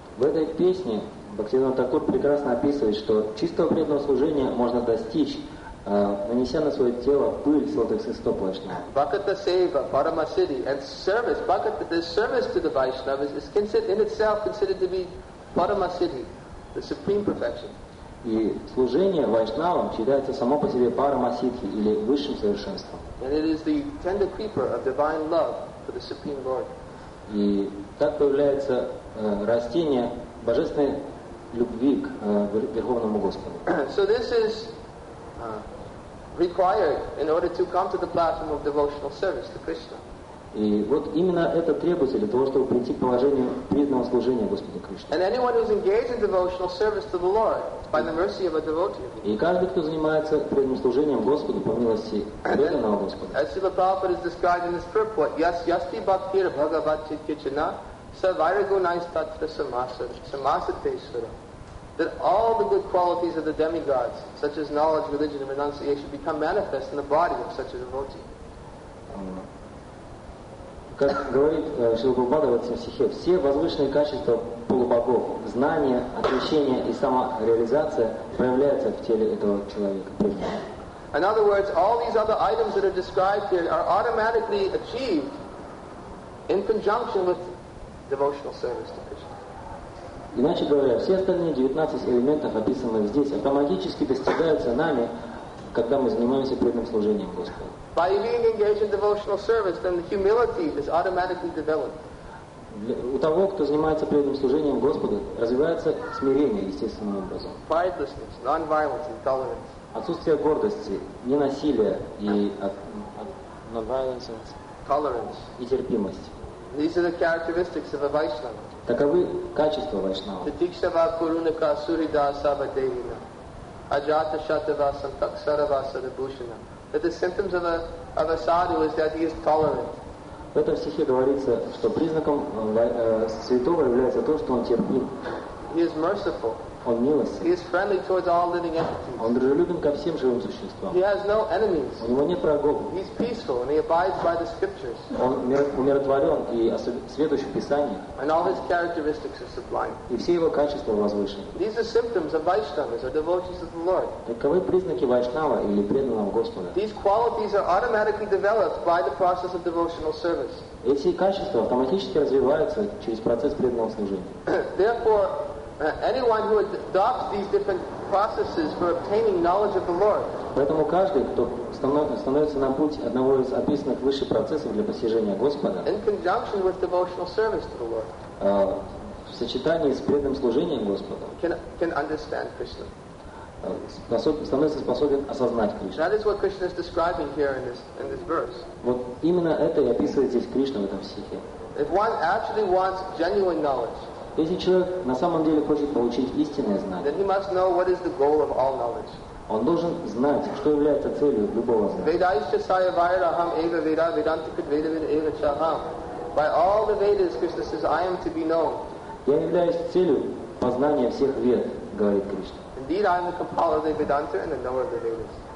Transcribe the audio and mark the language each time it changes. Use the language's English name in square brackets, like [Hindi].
[Russian] В этой песне Бхактивинода Тхакур прекрасно описывает, что чистого преданного служения можно достичь, нанеся на свое тело пыль золотых стоп Вайшнавов. [English] Bhakata seva, parama siddhi, and service, bhakata, the service to the Vaishnavas is considered in itself considered to be parama siddhi, the supreme perfection. [Russian] И служение Вайшнавам считается само по себе парама сиддхи или высшим совершенством. [English] And it is the tender creeper of divine love for the supreme Lord. [Russian] И так появляется растение божественной любви к Верховному Господу. [English] So this is required in order to come to the platform of devotional service to Krishna. [Russian] И вот именно это требуется для того, чтобы прийти к положению преданного служения Господу Кришне. [English] And anyone who is engaged in devotional service to the Lord by the mercy of a devotee. [Russian] И каждый, кто занимается преданным служением Господу по милости преданного Господа. [English] As Srila Prabhupada is described in this purport, [Sanskrit] yas yasti bhaktir bhagavati kichana sa vairagunaistatra samasateshvara. [English] That all the good qualities of the demigods, such as knowledge, religion, and renunciation, become manifest in the body of such a devotee. [Russian] Как говорит Шрила Прабхупада в этом стихе, все возвышенные качества полубогов, знание, отречение и самореализация проявляются в теле этого человека. [English] In other words, all these other items that are described here are automatically achieved in conjunction with devotional service to Krishna. [Russian] Иначе говоря, все остальные 19 элементов, описанных здесь, автоматически достигаются нами, когда мы занимаемся преданным служением Господу. У того, кто занимается преданным служением Господу, развивается смирение естественным образом. [English] Pridelessness, non-violence, intolerance. [Russian] Отсутствие гордости, ненасилия и [English] non-violence, tolerance. [Russian] И терпимость. [English] These are the characteristics of a Vaishnava. [Russian] Таковы качества Вайшнава. [Sanskrit] Титиксава Курунака Суридасава Девина. Аджата Шатава Сантаксарава Садабушина. [English] That the symptoms of a sadhu is that he is tolerant. [Russian] В этом стихе говорится, что признаком святого является то, что он терпим. [English] He is merciful. [Russian] Он милостив. [English] He is friendly towards all living entities. [Russian] Он дружелюбен ко всем живым существам. [English] He has no enemies. [Russian] У него нет врагов. [English] He is peaceful and he abides by the scriptures. [Russian] Он умиротворен и сведущ в Писании. [English] And all his characteristics are sublime. [Russian] И все его качества возвышены. [English] These are symptoms of Vaishnavas, or devotees of the Lord. [Russian] Таковы признаки Вайшнава или преданного Господа. [English] These qualities are automatically developed by the process of devotional service. [Russian] Эти качества автоматически развиваются через процесс преданного служения. [English] Therefore, anyone who adopts these different processes for obtaining knowledge of the Lord. [Russian] Поэтому каждый, кто становится на путь одного из описанных выше процессов для постижения Господа. [English] In conjunction with devotional service to the Lord. [Russian] В сочетании с преданным служением Господу. [English] Can understand Krishna. [Russian] Становится способен осознать Кришну. [English] That is what Krishna is describing here in this verse. [Russian] Вот именно это и описывает здесь Кришна в этом стихе. [English] If one actually wants genuine knowledge. [Russian] Если человек на самом деле хочет получить истинное знание, [English] then he must know what is the goal of all knowledge. [Russian] Он должен знать, что является целью любого знания. [Sanskrit] Vedaischa saya vairaham eva veda vedantikat veda veda eva chaham. [English] By all the Vedas, Krishna says, I am to be known. [Russian] Я являюсь целью познания всех вед, говорит Кришна. [English] Indeed, I am the compiler of the Vedanta and the knower of the Vedas.